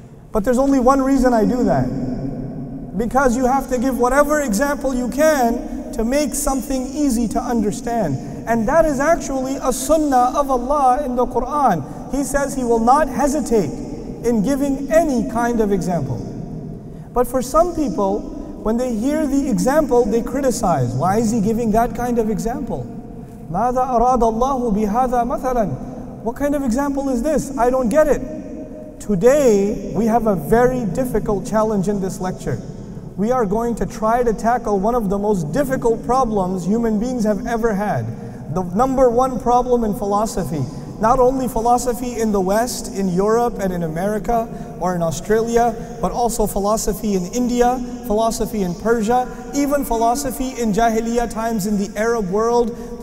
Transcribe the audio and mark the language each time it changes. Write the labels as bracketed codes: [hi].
[en] But there's only one reason I do that. Because you have to give whatever example you can to make something easy to understand. And that is actually a sunnah of Allah in the Quran. He says He will not hesitate in giving any kind of example. But for some people, when they hear the example, they criticize. Why is He giving that kind of example? [ar] ماذا أراد الله بهذا مثلاً? [en] What kind of example is this? I don't get it. Today, we have a very difficult challenge in this lecture. we are going to try to tackle one of the most difficult problems human beings have ever had. The number one problem in philosophy, not only philosophy in the West, in Europe and in America or in Australia, but also philosophy in India, philosophy in Persia, even philosophy in Jahiliyyah times in the Arab world.